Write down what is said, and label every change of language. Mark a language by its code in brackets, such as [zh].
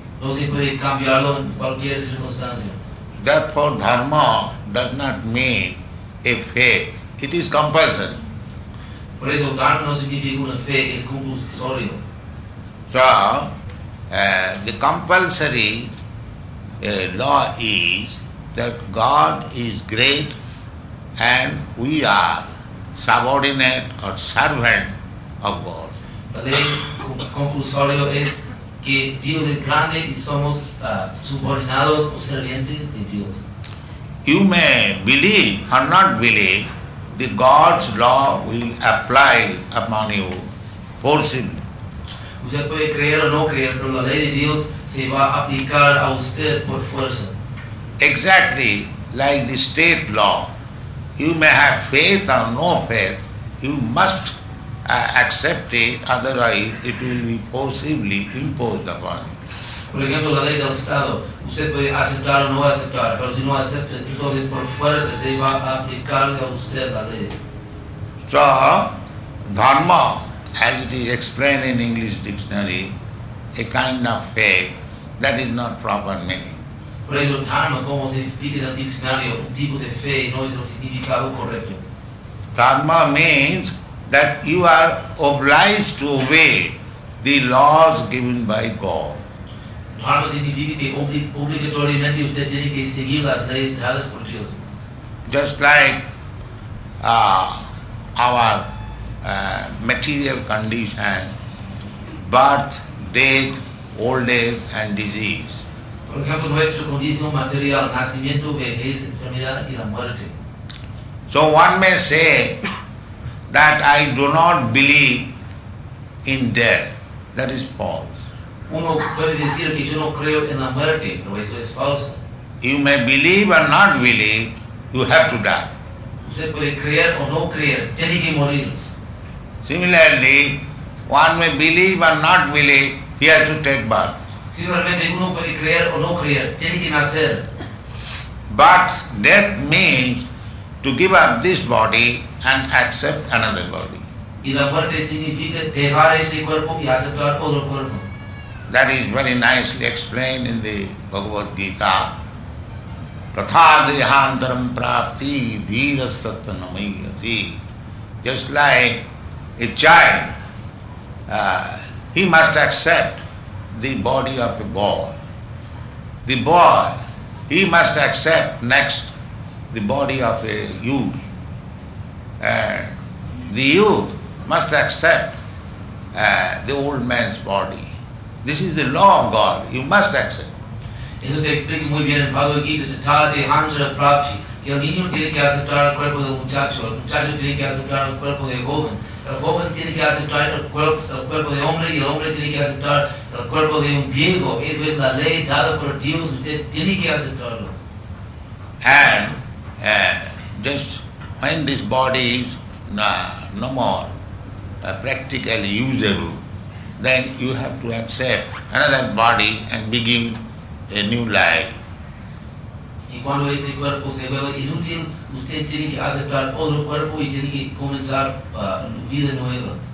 [es] No se puede cambiarlo en cualquier circunstancia. [en] Therefore, dharma does not mean a faith. It is compulsory. [es] Por eso, dharma no significa una fe, es compulsorio. [en] So, the compulsory law is that God is great and we are subordinate or servant of God. [es] La ley compulsoria es que Dios es grande y somos subordinados o servientes de Dios. [en] You may believe or not believe, the God's law will apply upon you forcibly. [es] Usted puede creer o no creer, pero la ley de Dios se va a aplicar a usted por fuerza. [en] Exactly like the state law. You may have faith or no faith, you must accept it, otherwise it will be forcibly imposed upon you. [es] Por ejemplo, la ley del Estado, usted puede aceptar o no aceptar, pero si no acepta, entonces por fuerza se va a aplicar a usted la ley. [en] So, dharma, as it is explained in English dictionary, a kind of faith, that is not proper meaning. [es] Por eso, dharma, como se explica en el diccionario, un tipo de fe no es el significado correcto. [en] Dharma means that you are obliged to obey the laws given by God. [es] Dharma significa que obligatoriamente usted tiene que seguir las leyes dadas por Dios. [en] Just like our material condition, birth, death, old age and disease. [es] Por ejemplo, nuestro condición material, nacimiento, vejez, enfermedad y la muerte. [en] So one may say that I do not believe in death. That is false. [es] Uno puede decir que yo no creo en la muerte, pero eso es falso. [en] You may believe or not believe, you have to die. [es] Usted puede creer o no creer, tiene que morir. [en] Similarly, one may believe or not believe, he has to take birth. [es] Simplemente uno puede creer o no creer, tiene que nacer. [en] But death means to give up this body and accept another body. [es] Y la muerte significa dejar este cuerpo y aceptar otro cuerpo. [en] That is very nicely explained in the Bhagavad Gita. [sa] Tathadehantaram prapti dhirasattva namayati. [en] Just like a child, he must accept the body of the boy. The boy, he must accept next the body of a youth. And the youth must accept the old man's body. This is the law of God. You must accept. [es] Entonces explica muy bien en Bhagavad Gita, [sa] Tathadehantaram prapti, [es] que el niño tiene que aceptar el cuerpo del muchacho, el muchacho tiene que aceptar el cuerpo del joven. El joven tiene que aceptar el cuerpo de hombre y el hombre tiene que aceptar el cuerpo de un viejo. Eso es la ley dada por Dios. Usted tiene que aceptarlo. [en] And just when this body is no more practically usable, then you have to accept another body and begin a new life. [es] Y cuando ese cuerpo se vuelve inútil, usted tiene que aceptar otro cuerpo y tiene que comenzar vida nueva.